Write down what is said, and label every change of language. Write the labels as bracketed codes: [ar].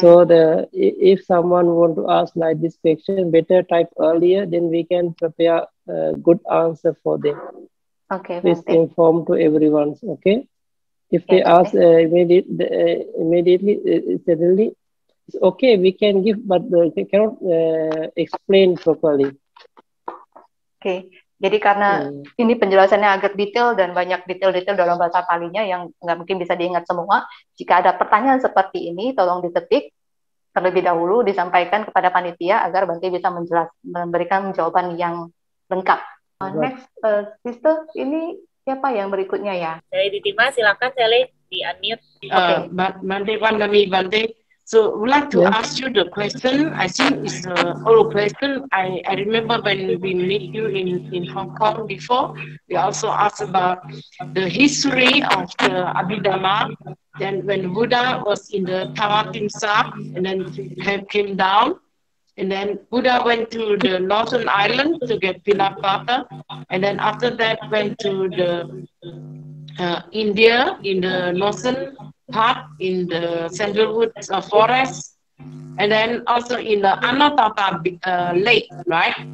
[en] So the if someone want to ask like this question, better type earlier, then we can prepare a good answer for them. Okay. Please Bante. Inform to everyone. Okay. If yeah, they okay. ask immediately, it's okay. We can give, but they cannot explain properly. Okay. [id] Jadi karena ini penjelasannya agak detail dan banyak detail-detail dalam bahasa Palinya yang nggak mungkin bisa diingat semua, jika ada pertanyaan seperti ini, tolong diketik terlebih dahulu, disampaikan kepada panitia agar Bante bisa memberikan jawaban yang lengkap. [en] Next, sister, [id] ini siapa yang berikutnya ya? Saya Ditima, silakan Sele, di-unmute. Bante, pandemi, Bante. [en] So, I would like to ask you the question. I think it's a whole question. I remember when we met you in Hong Kong before, we also asked about the history of the Abhidhamma. Then when Buddha was in the Tawantinsa and then came down, and then Buddha went to the Northern Island to get Pinakatha, and then after that went to the India in the Northern part in the sandalwood forest, and then also in the Anuttara lake, right?